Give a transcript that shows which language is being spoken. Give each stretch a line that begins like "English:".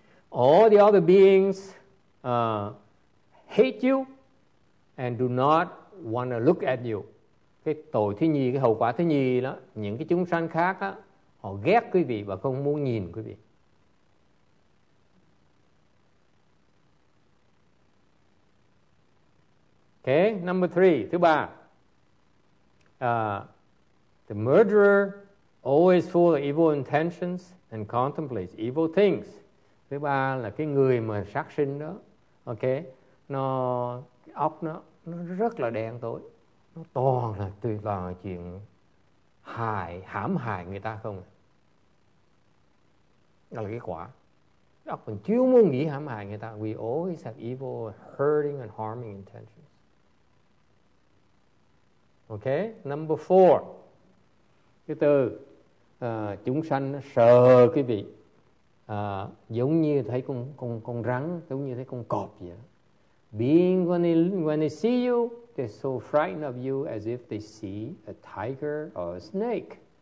English: All the other beings hate you and do not want to look at you.
Vietnamese: Cái tội thứ nhì, cái hậu quả thứ nhì đó, những cái chúng sanh khác á, họ ghét quý vị và không muốn nhìn quý vị.
English: Okay, number three,
Vietnamese: thứ ba.
English: The murderer always full of evil intentions and contemplates evil things.
Vietnamese: Thứ ba là cái người mà sát sinh đó, okay, nó óc nó rất là đen tối, nó toàn là tùy toàn là chuyện hãm hại người ta không. Đó là cái quả. Óc mình chưa muốn nghĩ hãm hại người ta.
English: We always have evil, hurting and harming intentions. Okay, number four.
Vietnamese: Thứ tư, chúng sanh sợ quý vị. Giống như thấy con rắn, giống như thấy con cọp vậy.
English: Being when they see you, they're so frightened of you as if they see a tiger or a snake.